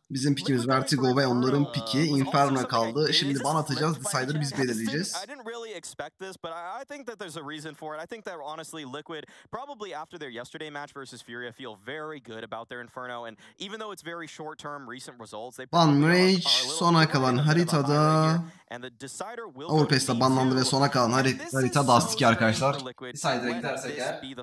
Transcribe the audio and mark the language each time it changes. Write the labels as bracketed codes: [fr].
[tr] Bizim pick'imiz Vertigo ve onların pick'i Inferno kaldı. Şimdi ban atacağız. Decider'ı biz belirleyeceğiz. [en] I didn't really expect this, but I think that there's a reason for it. I think that honestly Liquid probably after their yesterday match versus Furia feel very good about their Inferno, and even though it's very short term recent results, they [tr] ban Rage sona kalan haritada. Overpass'ta banlandı ve sona kalan harita Dust2 arkadaşlar. Decider'a gidersek eğer